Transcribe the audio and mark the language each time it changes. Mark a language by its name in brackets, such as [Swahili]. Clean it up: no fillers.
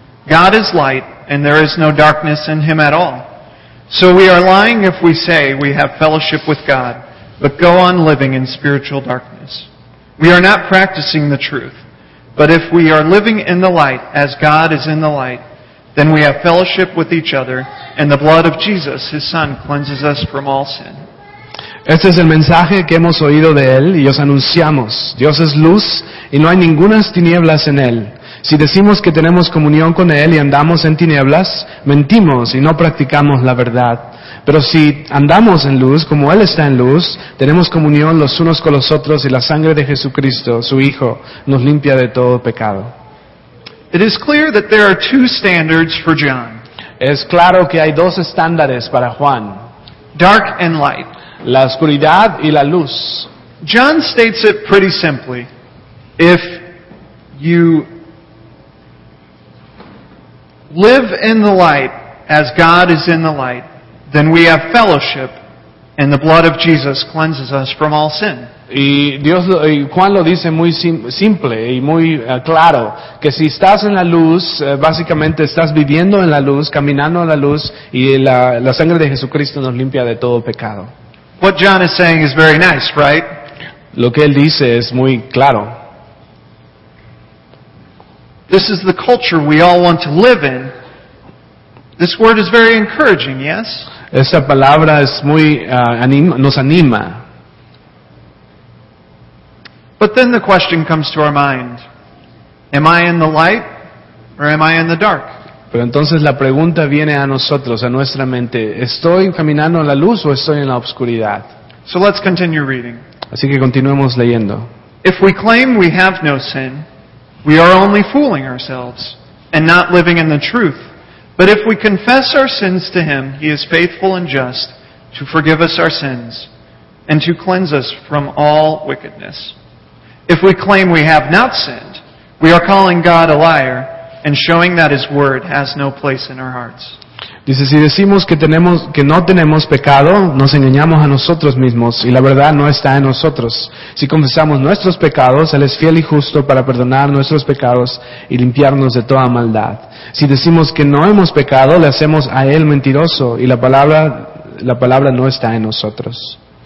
[English] God is light, and there is no darkness in him at all. So we are lying if we say we have fellowship with God, but go on living in spiritual darkness. We are not practicing the truth, but if we are living in the light as God is in the light, then we have fellowship with each other, and the blood of Jesus, his Son, cleanses us from all sin. [Spanish] Este es el mensaje que hemos oído de él y os anunciamos. Dios es luz y no hay ninguna tinieblas en él. Si decimos que tenemos comunión con él y andamos en tinieblas, mentimos y no practicamos la verdad. Pero si andamos en luz, como él está en luz, tenemos comunión los unos con los otros y la sangre de Jesucristo, su Hijo, nos limpia de todo pecado. [English] It is clear that there are two standards for John. [Spanish] Es claro que hay dos estándares para Juan. [English] Dark and light. [Spanish] La oscuridad y la luz. [English] John states it pretty simply. If you live in the light as God is in the light, then we have fellowship, and the blood of Jesus cleanses us from all sin. [Spanish] Y Dios, y Juan lo dice muy simple y muy claro, que si estás en la luz, básicamente estás viviendo en la luz, caminando en la luz, y la sangre de Jesucristo nos limpia de todo pecado. [English] What John is saying is very nice, right? [Spanish] Lo que él dice es muy claro. [English] This is the culture we all want to live in. This word is very encouraging, yes? [Spanish] Esa palabra es muy nos anima. [English] But then the question comes to our mind. Am I in the light or am I in the dark? [Spanish] Pero entonces la pregunta viene a nosotros, a nuestra mente. ¿Estoy caminando en la luz o estoy en la oscuridad? [English] So let's continue reading. [Spanish] Así que continuemos leyendo. [English] If we claim we have no sin, we are only fooling ourselves and not living in the truth. But if we confess our sins to him, he is faithful and just to forgive us our sins and to cleanse us from all wickedness. If we claim we have not sinned, we are calling God a liar and showing that his word has no place in our hearts. [Spanish] Dice, si decimos que no tenemos pecado, nos engañamos a nosotros mismos, y la verdad no está en nosotros. Si confesamos nuestros pecados, Él es fiel y justo para perdonar nuestros pecados y limpiarnos de toda maldad. Si decimos que no hemos pecado, le hacemos a Él mentiroso, y la palabra no está en nosotros.